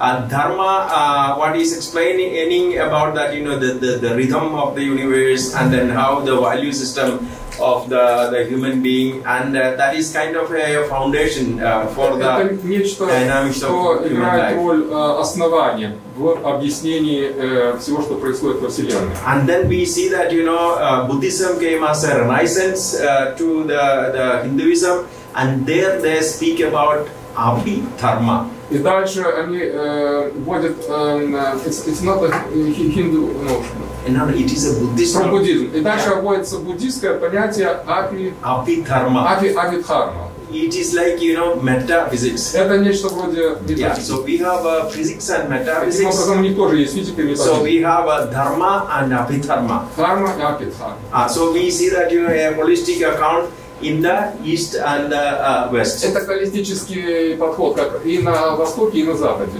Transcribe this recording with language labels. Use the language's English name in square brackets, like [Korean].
[English] Dharma, what is explaining about that, you know, the rhythm of the universe and then how the value system of the human being and that is kind of a foundation for the [Russian] нечто, [English] dynamics of human life. [Russian] Основание в объяснении всего, что происходит во Вселенной. [English] And then we see that, you know, Buddhism came as a renaissance to the Hinduism and there they speak about Abhidharma. [Russian] И дальше они вводят [English] it's not a Hindu notion. No, it is a Buddhist. From Buddhism. [Russian] И дальше вводится буддийское понятие Abhidharma. Abhidharma. [English] It is like, you know, metaphysics. [Russian] Это нечто вроде метафизики. [English] Yeah, so we have physics and metaphysics. [Russian] Таким образом, у них тоже есть физика и метафизика. [English] So we have dharma and abhidharma. Dharma and abhidharma. So we see that you have a holistic account in the east and the west. [Russian] Это холистический подход, как и на востоке, и на западе.